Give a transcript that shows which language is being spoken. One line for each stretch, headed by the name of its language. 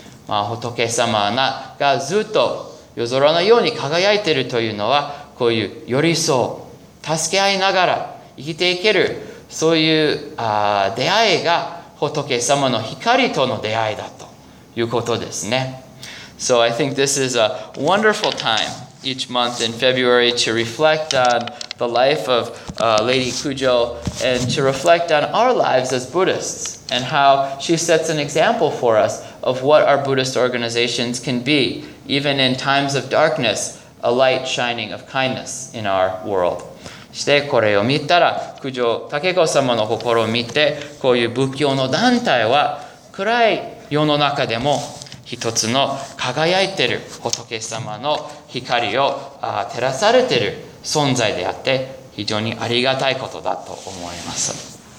Japanese: まあ、仏様がずっと夜空のように輝いているというのは、こういう寄り添う、助け合いながら生きていける、そういう出会いが仏様の光との出会いだということですね。
English: So I think this is a wonderful time each month in February to reflect on the life of Lady Kujo and to reflect on our lives as Buddhists and how she sets an example for us of what our Buddhist organizations can be, even in times of darkness, a light shining of kindness in our world.
Japanese: してこれを見たら九条武子様の心を見てこういう仏教の団体は暗い世の中でも一つの輝いている仏様の光を照らされている存在であって非常にありがたいことだと思います。